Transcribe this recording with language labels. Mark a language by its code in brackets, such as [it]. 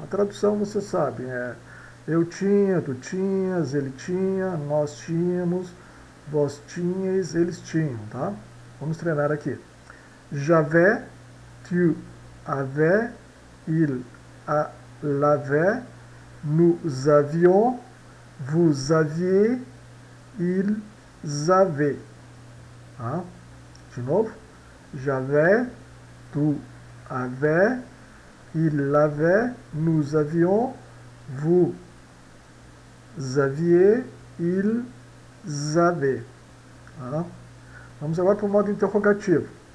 [pt] A tradução você sabe, eu tinha, tu tinhas, ele tinha, nós tínhamos, vós tinhais, eles tinham, tá? Vamos treinar aqui. [fr] J'avais, tu avais, il l'avait. Nous avions, vous aviez, ils avaient. Hein? [pt] De novo. [fr] J'avais, tu avais, il avait, nous avions, vous aviez, ils avaient. Hein? [pt] Vamos agora para o modo interrogativo.